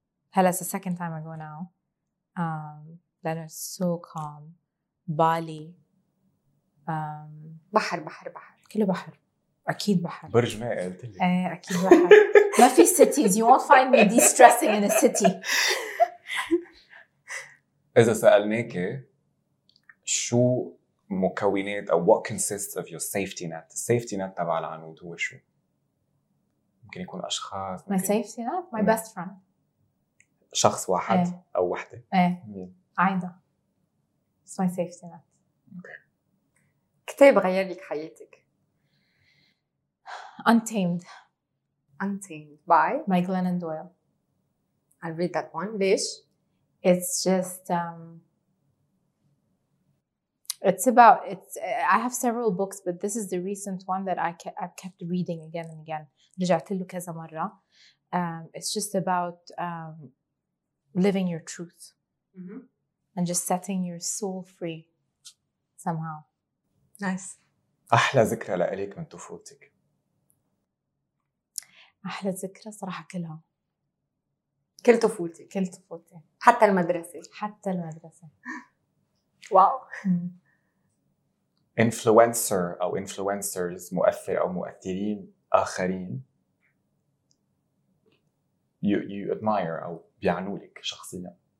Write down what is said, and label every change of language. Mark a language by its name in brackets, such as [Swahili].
[Arabic] هلأ [English] it's the second time I go now. That is so calm. Bali. [Arabic] بحر بحر بحر. كله بحر. أكيد بحر. برج ما قلت لي. إيه أكيد بحر. ما في cities. [English] You won't find me de-stressing in a city. [Arabic] إذا سألناك شو مكونات أو [English] what consists of your safety net. The safety net [Arabic] تبع العنود هو شو؟ ممكن يكون أشخاص. [English] My safety net. My best friend. [Arabic] شخص واحد أو واحدة. إيه. [English] عايدة. It's my safety net. [Arabic] كتاب غير لك حياتك. [English] Untamed. Untamed by? By Glennon Doyle. I'll read that one. Lish. It's just, it's about, it's, I have several books, but this is the recent one that I've kept reading again and again. [Arabic] رجعت له كذا مرة. [English] It's just about living your truth and just setting your soul free somehow. Nice. [Arabic] أحلى ذكرى لإليك من طفولتك. أحلى ذكرى صراحة كلها. كل طفولتي. كل طفولتي. حتى المدرسة. حتى المدرسة. واو. influencer أو influencers مؤثر أو مؤثرين آخرين [English] you admire [Arabic] أو بيعنوا لك شخصيا.